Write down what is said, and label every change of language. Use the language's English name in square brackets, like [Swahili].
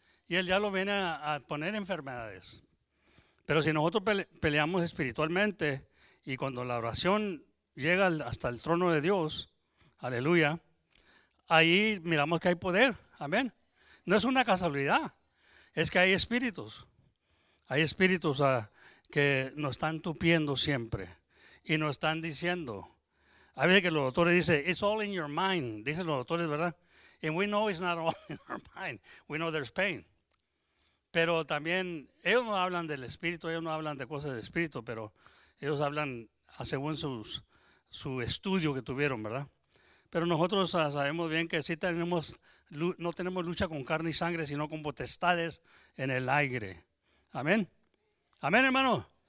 [Spanish] Y el diablo viene a poner enfermedades. Pero si nosotros peleamos espiritualmente y cuando la oración llega hasta el trono de Dios, aleluya, ahí miramos que hay poder, amén. No es una casualidad, es que hay espíritus. Hay espíritus que nos están tupiendo siempre y nos están diciendo. A veces que los doctores dicen, [English] it's all in your mind, [Spanish] dicen los doctores, ¿verdad? [English] And we know it's not all in our mind, we know there's pain. [Spanish] Pero también ellos no hablan del espíritu, ellos no hablan de cosas del espíritu, pero ellos hablan según su estudio que tuvieron, ¿verdad? Pero nosotros sabemos bien que sí tenemos, no tenemos lucha con carne y sangre, sino con potestades en el aire. Amén. Amén, hermano.